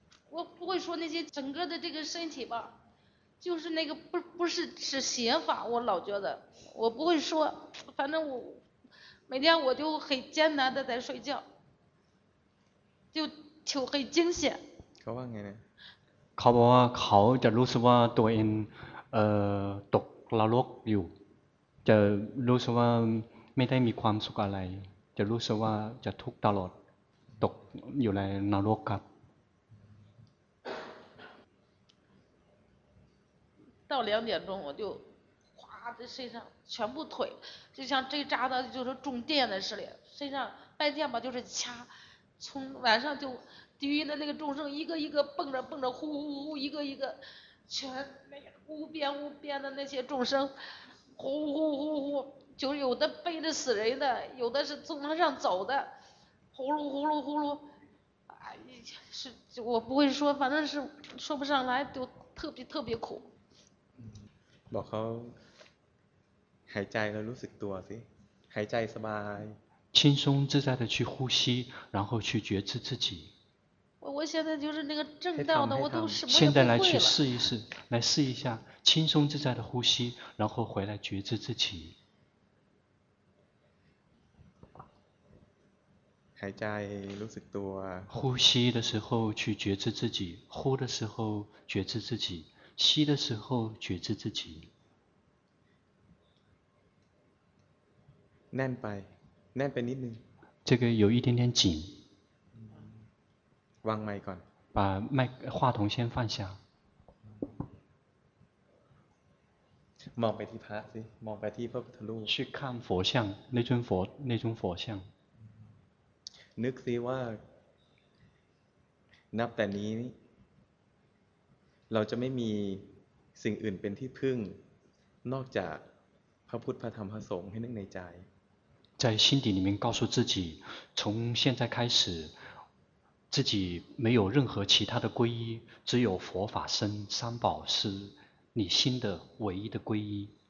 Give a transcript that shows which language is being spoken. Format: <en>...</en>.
<zh>我不会说那些整个的这个身体吧就是那个不是邪法我老觉得我不会说反正我每天我就很艰难的在睡觉就很惊险</zh> <th>เขาว่าไง เขาบอกว่าเขาจะรู้สึกว่าตัวเองตกนรกอยู่จะรู้สึกว่าไม่ได้มีความสุขอะไรจะรู้สึกว่าจะทุกข์ตลอดตกอยู่ในนรกครับ</th> <zh>到两点钟我就哗这身上全部腿就像这扎的就是中电的似的身上半天吧就是掐从晚上就地狱的那个众生一个一个蹦着呼呼呼一个一个全无边无边的那些众生呼呼呼呼就有的背着死人的有的是从他上走的呼噜呼噜呼噜哎是我不会说反正是说不上来就特别特别苦</zh> <th>บอกเขาหายใจแล้วรู้สึกตัวสิหายใจสบาย</th> <zh>轻松自在的去呼吸然后去觉知自己我现在就是那个正道的我都什么也不会了现在来去试一试来试一下轻松自在的呼吸然后回来觉知自己</zh> <th>หายใจรู้สึกตัว</th> <zh>呼吸的时候去觉知自己呼的时候觉知自己吸的时候觉知自己</zh> <th>แน่นไปแน่นไปนิดนึง</th> <zh>这个有一点点紧</zh> <th>วางไมค์ก่อน</th> <zh>把麦话筒先放下</zh> <th>มองไปที่พระสิมองไปที่พระพุทธรูป</th> <zh>去看佛像那尊佛像</zh> <th>นึกซิว่านับแต่นี้เราจะไม่มีสิ่งอื่นเป็นที่พึ่งนอกจากพระพุทธพระธรรมพระสงฆ์ให้นึกในใจ</th> <zh>在心底里面告诉自己从现在开始自己没有任何其他的皈依只有佛法僧三宝是你心的唯一的皈依</zh>